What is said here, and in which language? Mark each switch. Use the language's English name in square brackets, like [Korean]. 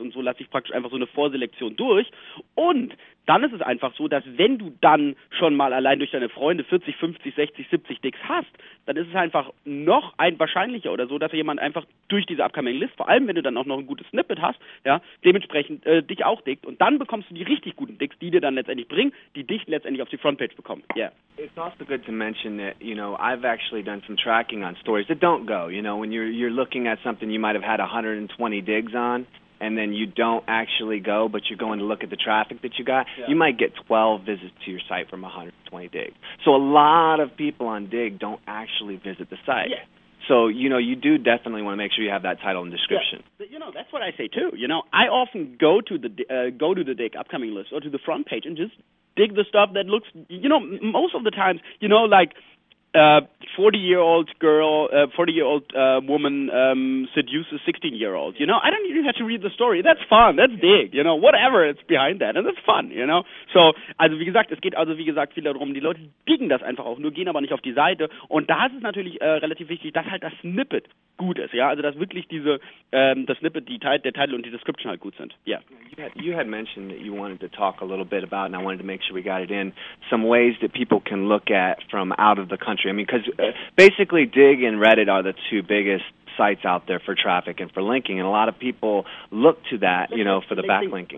[German] Und so lasse ich praktisch einfach so eine Vorselektion durch. Und dann ist es einfach so, dass wenn du dann schon mal allein durch deine Freunde 40, 50, 60, 70 Dicks hast, dann ist es einfach noch ein wahrscheinlicher oder so, dass jemand einfach durch diese upcoming List, vor allem wenn du dann auch noch ein gutes Snippet hast, ja, dementsprechend dich auch dickt. Und dann bekommst du die richtig guten Dicks, die dir dann letztendlich bringen, die dich letztendlich auf die Frontpage bekommen. [English] Yeah. It's also good to mention that, you know, I've actually done some tracking on stories that don't go, you know, when you're looking at something you might have had 120 digs on, and then you don't actually go, but you're going to look at the traffic that you got, yeah. You might get 12 visits to your site from 120 digs. So a lot of people on Dig don't actually visit the site. Yeah. So, you know, you do definitely want to make sure you have that title and description. Yeah. But, you know, that's what I say too. You know, I often go to the Dig upcoming list or to the front page and just dig the stuff that looks, you know, most of the times, you know, like, 40-year-old woman seduces 16-year-old. You know, I don't even have to read the story. That's fun. That's Dig. You know, whatever it's behind that, and that's fun. You know. [German] So, also wie gesagt, es geht also wie gesagt viel darum. Die Leute diggen das einfach auch, nur gehen aber nicht auf die Seite. Und da ist es natürlich relativ wichtig, dass halt das Snippet gut ist. Ja, also dass wirklich diese das Snippet, der Titel und die Description halt gut sind. [English] Yeah. You had mentioned that you wanted to talk a little bit about, and I wanted to make sure we got it in, some ways that people can look at from out of the country. I mean, because basically Dig and Reddit are the two biggest sites out there for traffic and for linking, and a lot of people look to that, you know, for the backlinking.